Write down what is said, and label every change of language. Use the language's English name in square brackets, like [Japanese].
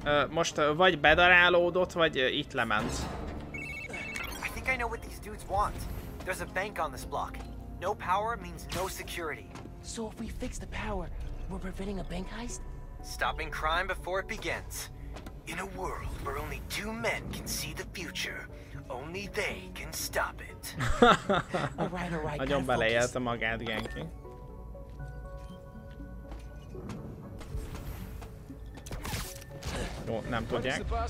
[Hungarian] Most vagy bedarálódott, vagy itt lement. [English] I think I know what these dudes want. There's a bank on this block. No power means no security. So if we fix the power, we're preventing a bank heist? Stopping crime before it begins. In a world where only two men can see the future, only they can stop it. [Hungarian] All right, nagyon beleélte magát, Genki. Jó, nem tudják.